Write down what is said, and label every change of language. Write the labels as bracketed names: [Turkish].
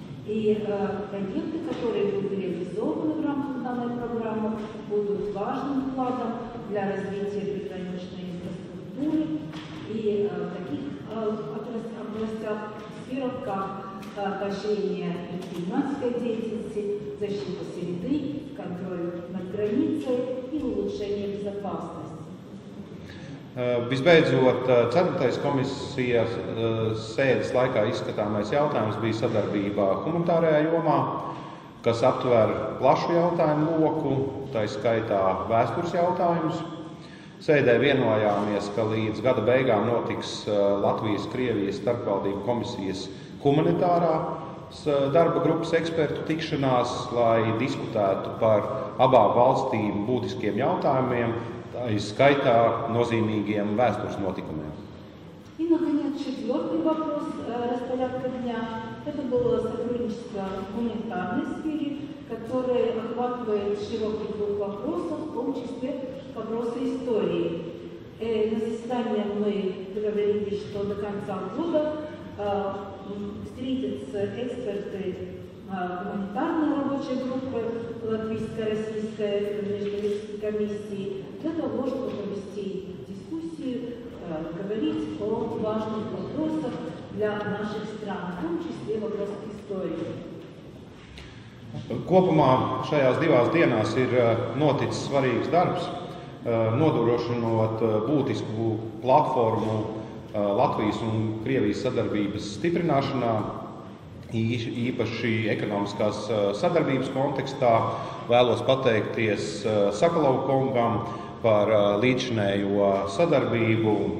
[Russian] И проекты, которые будут реализованы в рамках данной программы, будут важным вкладом для развития приграничной инфраструктуры и таких областях, сферах, как поощрение предпринимательской деятельности, защита среды, контроль над границей и улучшение безопасности. [Latvian] Visbeidzot, 4. Komisijas sēdes laikā izskatāmais jautājums bija sadarbībā humanitārajā jomā, kas aptver plašu jautājumu loku, tai skaitā vēstures jautājumus. Sēdē vienojāmies, ka līdz gada beigām notiks Latvijas-Krievijas starpvaldību komisijas humanitārās darba grupas ekspertu tikšanās, lai diskutētu par abām valstīm būtiskiem jautājumiem, скайта нозимигием вестурснотиками. [Russian] И, наконец, четвертый вопрос распорядка дня. Это было сотрудничество в гуманитарной сфере, которое охватывает широкий круг вопросов, в том числе вопросы истории. На заседании мы говорили, что до конца года встретятся эксперты гуманитарной рабочей группы Латвийско-Российской международной комиссии для того, чтобы провести дискуссию, говорить о важных вопросах для наших стран, в том числе вопросах истории. [Latvian] Kopumā šajās divās dienās ir noticis svarīgs darbs, nodrošinot būtisku platformu Latvijas un Krievijas sadarbības stiprināšanā, īpaši ekonomiskās sadarbības kontekstā vēlos pateikties Sakalova kungam par līdzinējo sadarbību.